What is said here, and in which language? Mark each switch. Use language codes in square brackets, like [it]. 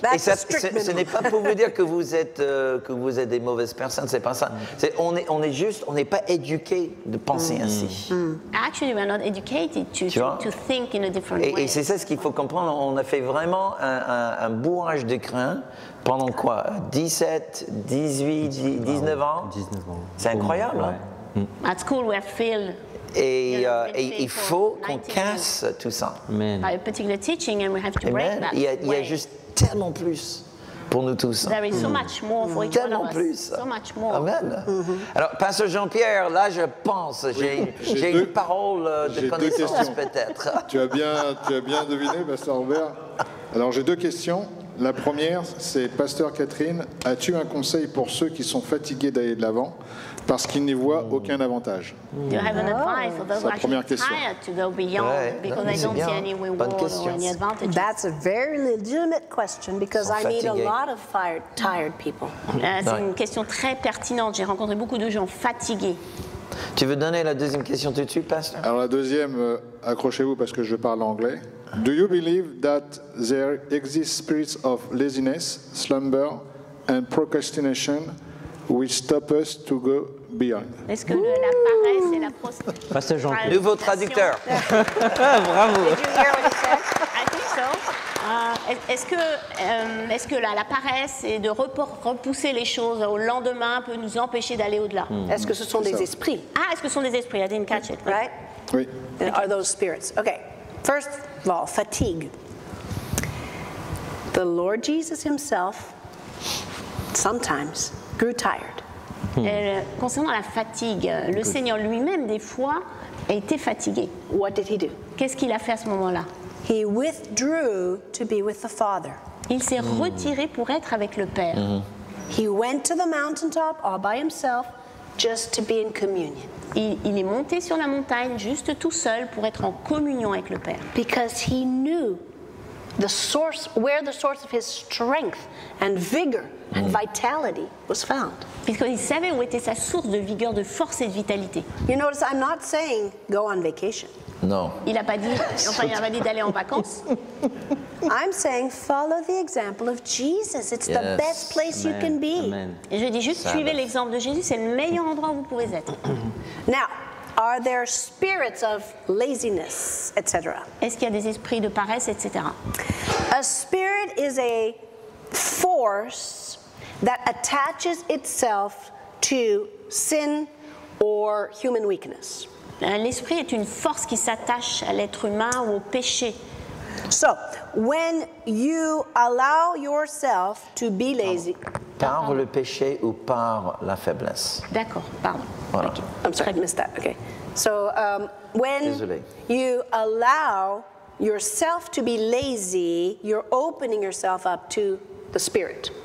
[fr] Ce n'est pas pour vous dire que vous êtes des mauvaises personnes. C'est pas ça. C'est, on n'est pas éduqué de penser ainsi. [en] Actually, we're not educated to think in a different way. [fr] Et c'est ça ce qu'il faut comprendre. On a fait vraiment un bourrage de crin. Pendant quoi? 17, 18, 19 ans. 19 ans. C'est incroyable. Ouais. [en] At school, we have failed. [fr] Et il faut qu'on casse tout ça. [en] By a particular teaching, and we have to Amen. Break that. [fr] Il y a juste tellement plus pour nous tous. [en] There is so much more for each [fr] tellement [en] one of [fr] plus. [en] Us. So much more. Amen. Mm-hmm. [fr] Alors, Pasteur Jean-Pierre, là, je pense, j'ai une parole de connaissance, peut-être. tu as bien deviné, Pasteur Robert. Alors, j'ai deux questions. La première, c'est Pasteur Kathryn, as-tu un conseil pour ceux qui sont fatigués d'aller de l'avant parce qu'ils n'y voient aucun avantage? [en] You have an advice for those who are tired to go beyond because they don't see any reward or any advantages. [fr] Bonne question. [en] That's a very legitimate question because I meet a lot of tired people. [fr] C'est une question très pertinente. J'ai rencontré beaucoup de gens fatigués. Tu veux donner la deuxième question tout de suite, Pasteur? Alors la deuxième, accrochez-vous parce que je parle anglais. [en] Do you believe that there exist spirits of laziness, slumber, and procrastination which stop us to go beyond? [fr] Est-ce que la paresse et la procrastination... Pasteur Jean, nouveau traducteur. Bravo. [en] Did you hear what he said? I think so. [fr] Est-ce que la paresse et de repousser les choses au lendemain peut nous empêcher d'aller au-delà? Est-ce que ce sont des esprits? Ah, est-ce que ce sont des esprits? [en] I didn't catch it. Right? [fr] Oui. [en] And are those spirits? Okay. First of all, fatigue. The Lord Jesus himself sometimes grew tired. [fr] Concernant la fatigue, le Seigneur lui-même des fois a été fatigué. [en] What did he do? [fr] Qu'est-ce qu'il a fait à ce moment-là? [en] He withdrew to be with the Father. [fr] Il s'est retiré pour être avec le Père. [en] He went to the mountaintop all by himself just to be in communion. [fr] Il est monté sur la montagne juste tout seul pour être en communion avec le Père. [en] Because he knew the source, where the source of his strength and vigor and vitality was found. [fr] Parce qu'il savait où était sa source de vigueur, de force et de vitalité. [en] You notice I'm not saying go on vacation. [fr] Non. Il n'a pas dit, enfin, il n'a pas dit d'aller en vacances. [en] I'm saying follow the example of Jesus. It's the best place you can be. [fr] Et je dis juste, suivez l'exemple de Jésus, c'est le meilleur endroit où vous pouvez être. [en] Now, are there spirits of laziness, etc.? [fr] Est-ce qu'il y a des esprits de paresse, etc.? [en] A spirit is a force that attaches itself to sin or human weakness. [fr] L'esprit est une force qui s'attache à l'être humain ou au péché. [en] So, when you allow yourself to be lazy... [fr] Par le péché ou par la faiblesse. D'accord, pardon. Voilà. [en] Okay. I'm sorry, I missed that. Okay. So, when you allow yourself to be lazy, you're opening yourself up to the Spirit.